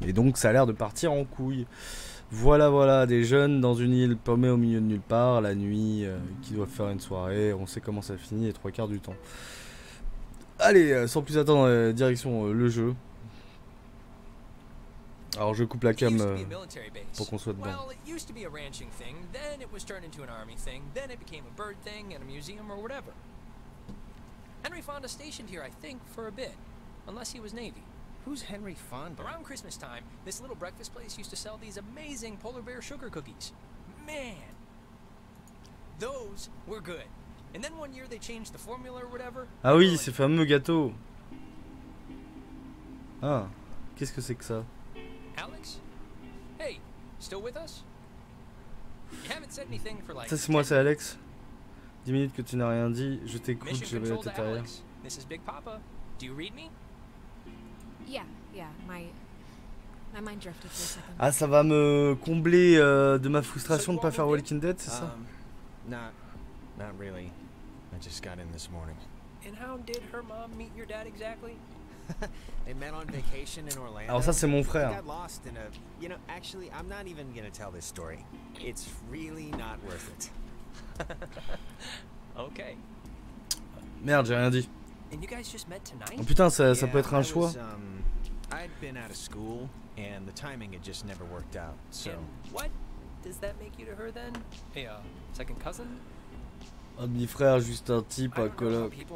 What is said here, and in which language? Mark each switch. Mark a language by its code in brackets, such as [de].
[fr] Et donc, ça a l'air de partir en couille. Voilà, des jeunes dans une île paumée au milieu de nulle part, la nuit, qui doivent faire une soirée. On sait comment ça finit, les trois quarts du temps. Allez, sans plus attendre, direction le jeu. Alors je coupe la cam pour qu'on soit dedans. [en] Well, it used to be a ranching thing, then it was turned into an army thing, then it became a bird thing and a museum or whatever. Henry Fonda stationed here, I think, for a bit, unless he was Navy. Who's Henry Fonda? Around Christmas time, this little breakfast place used to sell these amazing polar bear sugar cookies. Man, those were good. And then one year they changed the formula or whatever. [fr] Ah oui, ces fameux gâteaux. Ah, qu'est-ce que c'est que ça? Alex? [en] Hey, still with us? You haven't said anything for like... [fr] Ça c'est moi, c'est Alex. 10 minutes que tu n'as rien dit, je t'écoute, je vais à tes arrières. [en] This is Big Papa. Do you read me? Yeah, my mind drifted for a second. [fr] Ah, ça va me combler de ma frustration de pas faire Walking Dead, c'est ça? [en] Not really. I just got in this morning. And how did her mom meet your dad exactly? They met on vacation in Orlando. [fr] Alors ça c'est mon frère. [en] Got lost in a, you know, actually I'm not even going to tell this story. It's really not worth it. Okay. [fr] Merde, j'ai rien dit. [en] And you guys just met tonight? [fr] Oh, putain, ça peut être un choix. [en] I'd been out of school and the timing had just never worked out. So and what does that make you to her then? Hey, second cousin? [fr] Un demi-frère, juste un type, un coloc.